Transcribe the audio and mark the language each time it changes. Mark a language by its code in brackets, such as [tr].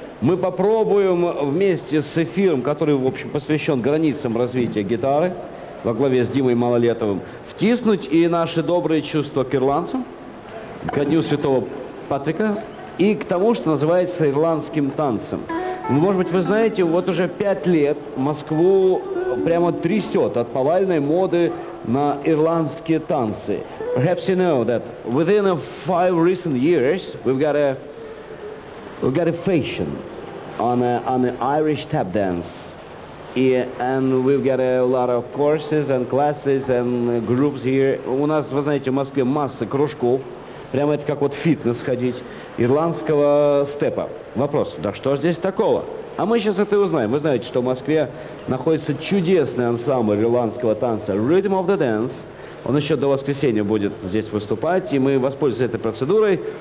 [ru] Мы попробуем вместе с эфиром, который, в общем, посвящен границам развития гитары, во главе с Димой Малолетовым, втиснуть и наши добрые чувства к ирландцам, ко Дню Святого Патрика, и к тому, что называется ирландским танцем. Может быть, вы знаете, вот уже 5 лет Москву прямо трясет от повальной моды на ирландские танцы. [en] Perhaps you know that within a 5 recent years we've got a fashion on the Irish tap dance, and we've got a lot of courses and classes and groups here. [ru] У нас, вы знаете, в Москве масса кружков, прямо это как вот фитнес ходить, ирландского степа. Вопрос, да что здесь такого? А мы сейчас это узнаем. Вы знаете, что в Москве находится чудесный ансамбль ирландского танца Rhythm of the Dance. Он еще до воскресенья будет здесь выступать, и мы воспользуемся этой процедурой.